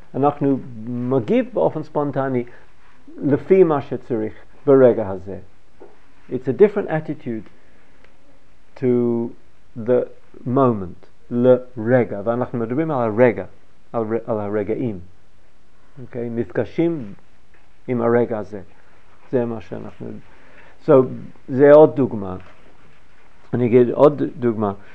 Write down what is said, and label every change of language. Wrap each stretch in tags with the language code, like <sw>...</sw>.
<he>אנחנו מגיב באופן ספונטני לפי מה שצריך ברגע הזה.</he> <en>It's a different attitude to the moment, לרגע.</en> <he>ואנחנו מדברים על הרגע, על הרגעים. Okay? מפגשים עם הרגע הזה. זה מה שאנחנו... So, זה עוד דוגמה. אני אגיד עוד דוגמה.</he>